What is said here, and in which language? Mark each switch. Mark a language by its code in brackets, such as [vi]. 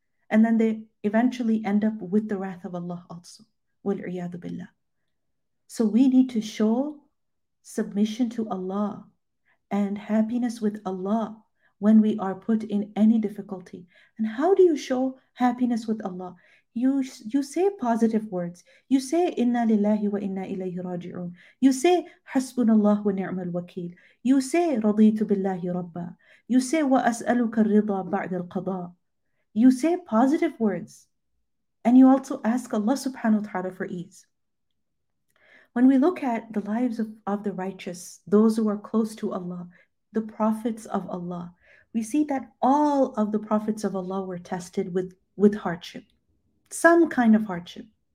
[en] And then they eventually end up with the wrath of Allah also. [ar] وَالْعِيَاذُ بِاللَّهِ. [en] So we need to show submission to Allah and happiness with Allah when we are put in any difficulty. And how do you show happiness with Allah? You say positive words. You say [ar] إِنَّا لِلَّهِ وَإِنَّا إِلَيْهِ رَاجِعُونَ. You say حَسْبُنَ اللَّهُ وَنِعْمَ الْوَكِيلُ. [en] You say [ar] رَضِيتُ بِاللَّهِ رَبَّا. [en] You say [ar] وَأَسْأَلُكَ الرِّضَى بَعْدَ الْقَضَاءِ. [en] You say positive words. And you also ask Allah subhanahu wa ta'ala for ease. When we look at the lives of the righteous, those who are close to Allah, the prophets of Allah, we see that all of the prophets of Allah were tested with hardship, some kind of hardship.